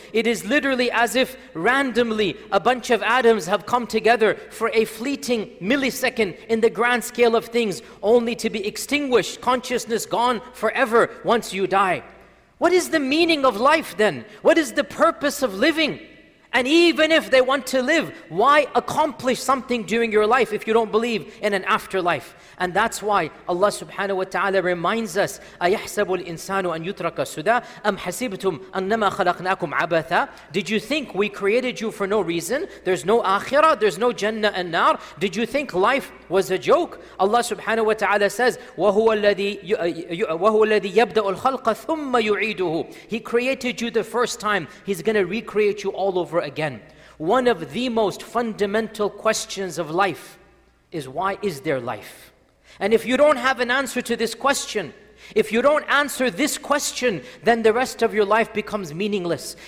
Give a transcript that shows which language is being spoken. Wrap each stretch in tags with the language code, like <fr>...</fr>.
<en>It is literally as if randomly a bunch of atoms have come together for a fleeting millisecond in the grand scale of things, only to be extinguished, consciousness gone forever once you die. What is the meaning of life then? What is the purpose of living? And even if they want to live, why accomplish something during your life if you don't believe in an afterlife? And that's why Allah subhanahu wa ta'ala reminds us,</en> <ar>أَيَحْسَبُ الْإِنسَانُ أَنْ يُتْرَكَ سُدَىٰ أَمْ حَسِبْتُمْ أَنَّمَا خَلَقْنَاكُمْ عَبَثًا.</ar> <en>Did you think we created you for no reason? There's no akhirah, there's no jannah and nar. Did you think life was a joke?</en> <ar>Allah subhanahu wa ta'ala says, وَهُوَ الَّذِي يَبْدَأُ الْخَلْقَ ثُمَّ يُعِيدُهُ.</ar> <en>He created you the first time, He's going to recreate you all over again. One of the most fundamental questions of life is, why is there life? And if you don't have an answer to this question, if you don't answer this question, then the rest of your life becomes meaningless.</en>